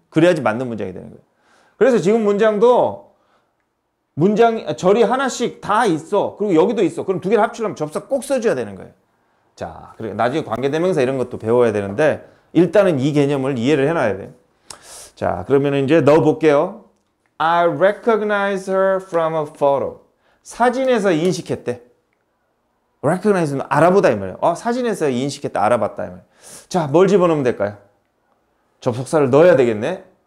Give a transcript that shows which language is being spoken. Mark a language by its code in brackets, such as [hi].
[ko] 그래야지 맞는 문장이 되는 거예요. 그래서 지금 문장도 절이 하나씩 다 있어. 그리고 여기도 있어. 그럼 두 개를 합치려면 접속사 꼭 써줘야 되는 거예요. 자, 그리고 나중에 관계대명사 이런 것도 배워야 되는데 일단은 이 개념을 이해를 해놔야 돼요. 자, 그러면 이제 넣어볼게요. [en] I recognize her from a photo. [ko] 사진에서 인식했대. Recognize는 알아보다 이 말이에요. 사진에서 인식했다, 알아봤다 이 말이에요. 자, 뭘 집어넣으면 될까요? 접속사를 넣어야 되겠네.